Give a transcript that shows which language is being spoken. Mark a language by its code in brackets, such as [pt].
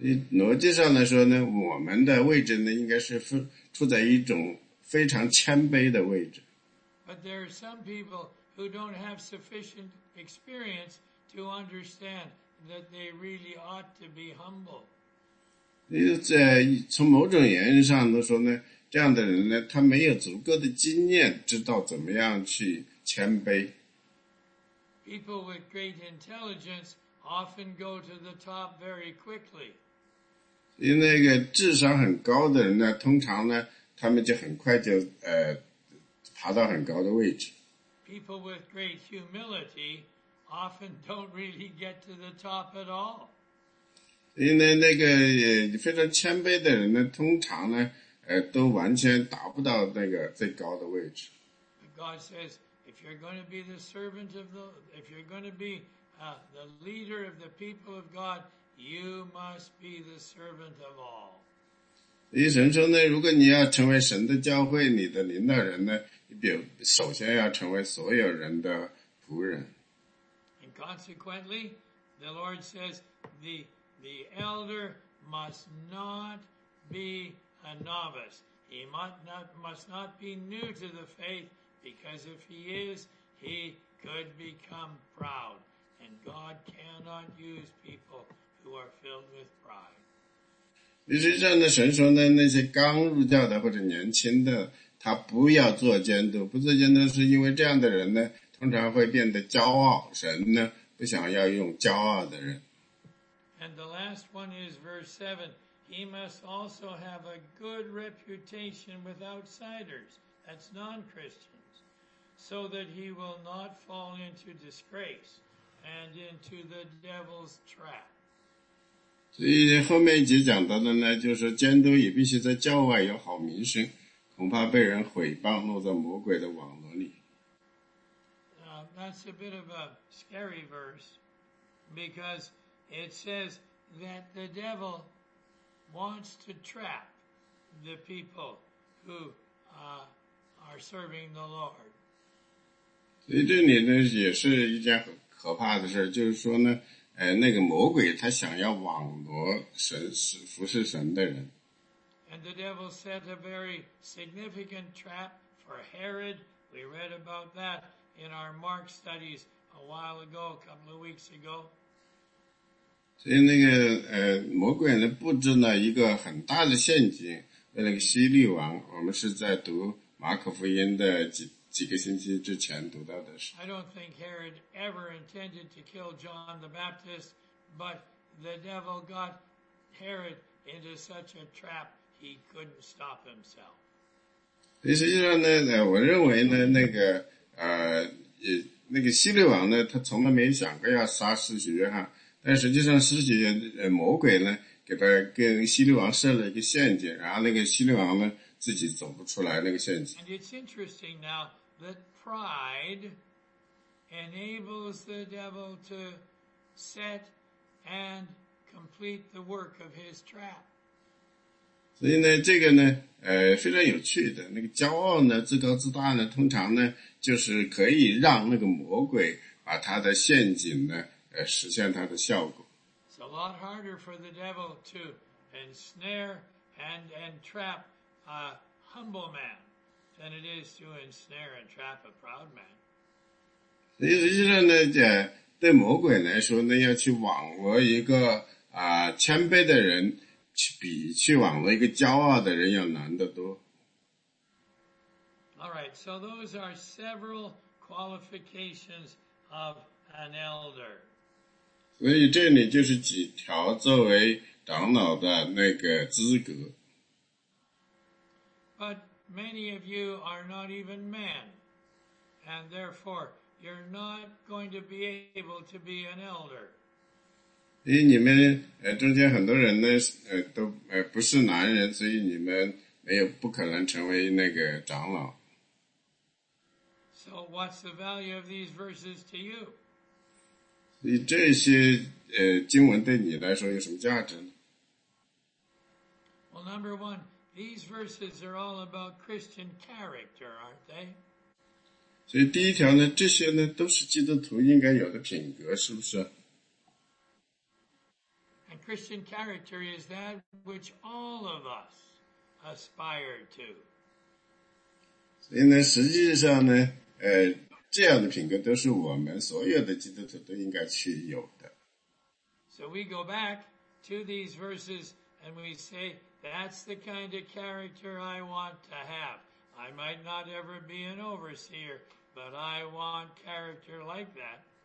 [zh] 逻辑上来说呢，我们的位置呢应该是处在一种非常谦卑的位置。 [en] But there are some people. Who don't have sufficient experience to understand that they really ought to be humble. [zh] 从某种原因上都说呢，这样的人呢，他没有足够的经验，知道怎么样去谦卑。 [en] People with great intelligence often go to the top very quickly. [zh] 因为那个智商很高的人呢，通常呢，他们就很快就爬到很高的位置。 [en] People with great humility often don't really get to the top at all. [zh] 因为那个非常谦卑的人呢，通常呢，都完全达不到那个最高的位置。 [en] God says, if you're going to be the servant of the, if you're going to be the leader of the people of God, you must be the servant of all. [zh] 因神说呢，如果你要成为神的教会，你的领导人呢，你比首先要成为所有人的仆人。 [en] And consequently, the Lord says, the elder must not be a novice. He must not be new to the faith, because if he is, he could become proud. And God cannot use people who are filled with pride. [zh] 于是这样的神说呢，那些刚入教的或者年轻的，他不要做监督，不做监督是因为这样的人呢，通常会变得骄傲，神呢，不想要用骄傲的人。 [en] And the last one is verse 7. He must also have a good reputation with outsiders, that's non-Christians, so that he will not fall into disgrace and into the devil's trap. [zh] 所以后面一节讲到的呢，就是监督也必须在教外有好名声。恐怕被人毁谤，落在魔鬼的网络里。 [en] That's a bit of a scary verse, because it says that the devil wants to trap the people who are serving the Lord. [zh] 所以这里呢也是一件很可怕的事，就是说呢，那个魔鬼他想要网罗神是服侍神的人。 [en] And the devil set a very significant trap for Herod. We read about that in our Mark studies a while ago, a couple of weeks ago. [zh] 所以那个魔鬼呢布置了一个很大的陷阱为那个希律王。我们是在读马可福音的几个星期之前读到的。 [en] I don't think Herod ever intended to kill John the Baptist, but the devil got Herod into such a trap. He couldn't stop himself. [zh] 实际上呢，我认为呢，那个希律王呢，他从来没想过要杀施洗约翰，但实际上施洗约魔鬼呢，跟希律王设了一个陷阱，然后那个希律王呢，自己走不出来那个陷阱。 [en] And it's interesting now that pride enables the devil to set and complete the work of his trap. [zh] 所以呢，这个呢，非常有趣的那个骄傲呢，自高自大呢，通常呢，就是可以让那个魔鬼把他的陷阱呢，实现他的效果。 [en] It's a lot harder for the devil to ensnare and trap a humble man than it is to ensnare and trap a proud man. [zh] 所以实际上呢，对魔鬼来说呢，要去网罗一个谦卑的人。比去网罗一个骄傲的人要难得多。 [en] All right, so those are several qualifications of an elder. [zh] 所以这里就是几条作为长老的那个资格。 [en] But many of you are not even men, and therefore you're not going to be able to be an elder. [zh] 因为你们中间很多人呢都不是男人，所以你们没有不可能成为那个长老。 [en] So what's the value of these verses to you? [zh] 所以这些经文对你来说有什么价值呢？ [en] Well, number one, these verses are all about Christian character, aren't they? [zh] 所以第一条呢，这些呢都是基督徒应该有的品格，是不是？ [en] Christian character is that which all of us aspire to. [zh] 所以呢，实际上呢，这样的品格都是我们所有的基督徒都应该去有的。 [en] So we go back to these verses And we say, that's the kind of character I want to have. I might not ever be an overseer, but I want character like that.